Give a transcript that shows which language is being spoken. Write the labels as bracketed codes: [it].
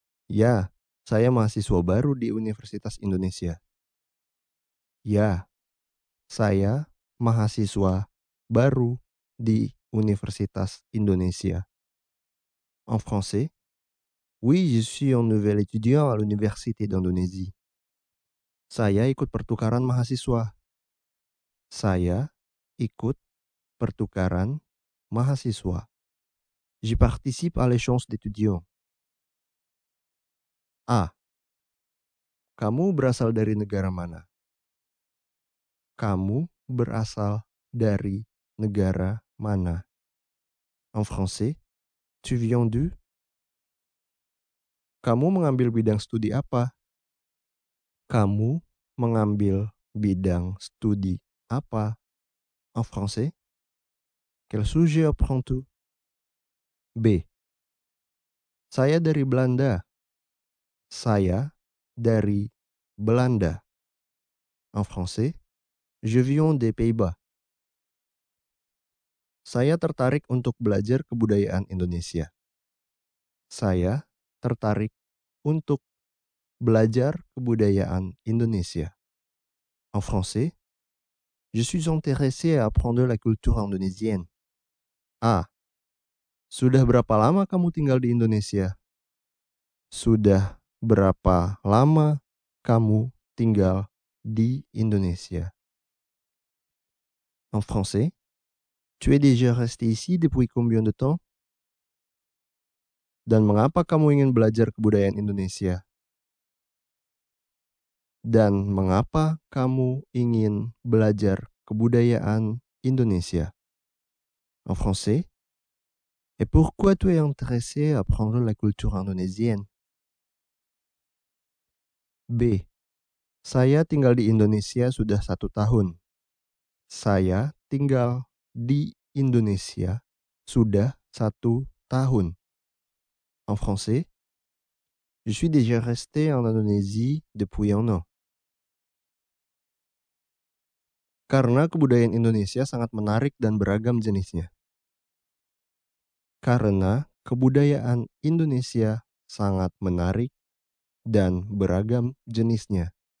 [id] Ya, saya mahasiswa baru di Universitas Indonesia. Ya, saya mahasiswa baru di Universitas Indonesia. [fr] En français. Oui, je suis un nouvel étudiant à l'Université d'Indonésie. [id] Saya ikut pertukaran mahasiswa. Saya ikut pertukaran mahasiswa. [fr] Je participe à l'échange d'étudiants. A. [id] Kamu berasal dari negara mana? Kamu berasal dari negara mana? [fr] En français, tu viens d'où? [id] Kamu mengambil bidang studi apa? Kamu mengambil bidang studi apa? [fr] En français, quel sujet apprends-tu? B. [id] Saya dari Belanda. Saya dari Belanda. [fr] En français, je viens des Pays-Bas. [id] Saya tertarik untuk belajar kebudayaan Indonesia. Saya tertarik untuk belajar kebudayaan Indonesia. [fr] En français, je suis intéressé à apprendre la culture indonésienne. [id] A. Sudah berapa lama kamu tinggal di Indonesia? Sudah berapa lama kamu tinggal di Indonesia? [fr] En français, tu es déjà resté ici depuis combien de temps? [id] Dan mengapa kamu ingin belajar kebudayaan Indonesia? Dan mengapa kamu ingin belajar kebudayaan Indonesia? [fr] En français, et pourquoi tu es intéressé à apprendre la culture indonésienne? B. [id] Saya tinggal di Indonesia sudah 1 tahun. Saya tinggal di Indonesia sudah 1 tahun. [fr] En français, je suis déjà resté en Indonésie depuis 1 an. [id] Karena kebudayaan Indonesia sangat menarik dan beragam jenisnya. Karena kebudayaan Indonesia sangat menarik dan beragam jenisnya.